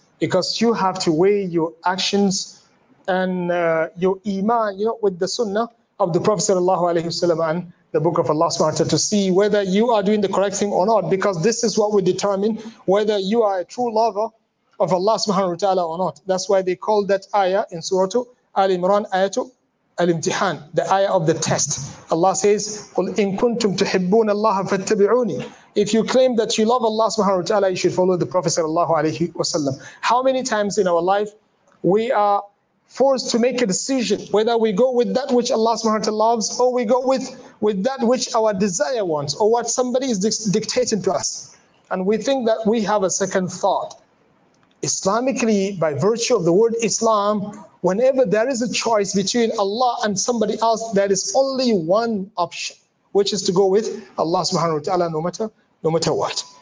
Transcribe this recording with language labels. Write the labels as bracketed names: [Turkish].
[English] Because you have to weigh your actions and your iman, you know, with the sunnah of the Prophet sallallahu alayhi wa sallam and the book of Allah subhanahu wa ta'ala to see whether you are doing the correct thing or not. Because this is what will determine whether you are a true lover of Allah subhanahu wa ta'ala or not. That's why they call that ayah in Surah Al-Imran, ayatu al-imtihan, the ayah of the test. [Arabic] Allah says, قُلْ إِن كُنْتُمْ تُحِبُّونَ اللَّهَ فَاتَّبِعُونِي. [English] If you claim that you love Allah subhanahu wa ta'ala, you should follow the Prophet sallallahu alayhi wa sallam. How many times in our life we are forced to make a decision whether we go with that which Allah subhanahu wa ta'ala loves or we go with that which our desire wants or what somebody is dictating to us. And we think that we have a second thought. Islamically, by virtue of the word Islam, whenever there is a choice between Allah and somebody else, there is only one option, which is to go with Allah subhanahu wa ta'ala no matter what.